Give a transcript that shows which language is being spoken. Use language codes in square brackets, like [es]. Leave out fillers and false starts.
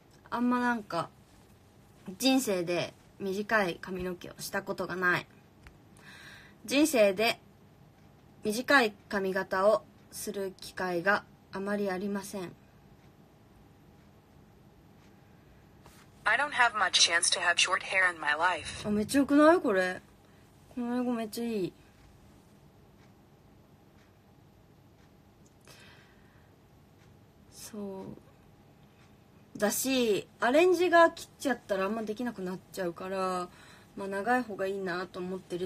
[ja] あんまなんか人生で短い髪の毛をしたことがない。人生で短い髪型をする機会があまりありません。 [en] I don't have much chance to have short hair in my life。 [ja] あ、めっちゃ良くない？これこの英語めっちゃいい。そうだし、アレンジが切っちゃったらあんまできなくなっちゃうから、まあ長い方がいいなと思ってる。